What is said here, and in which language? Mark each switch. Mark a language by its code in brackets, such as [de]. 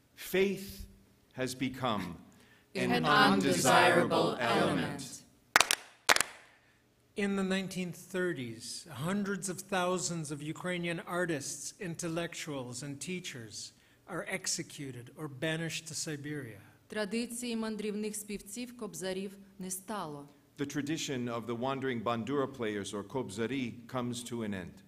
[en] Faith has become an undesirable element. In the 1930s, hundreds of thousands of Ukrainian artists, intellectuals, and teachers are executed or banished to Siberia. [uk] Традиції мандрівних співців кобзарів не стало. [en] The tradition of the wandering bandura players or kobzari comes to an end.